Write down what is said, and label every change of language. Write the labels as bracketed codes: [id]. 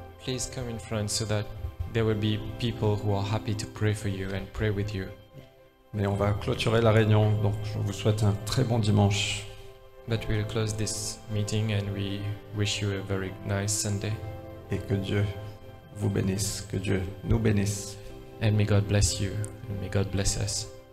[en] Please come in front so that there will be people who are happy to pray for you and pray with you. [fr] Mais on va clôturer la réunion, donc je vous souhaite un très bon dimanche. [en] But we'll close this meeting and we wish you a very nice Sunday. [fr] Et que Dieu vous bénisse, que Dieu nous bénisse. [en] And may God bless you, and may God bless us.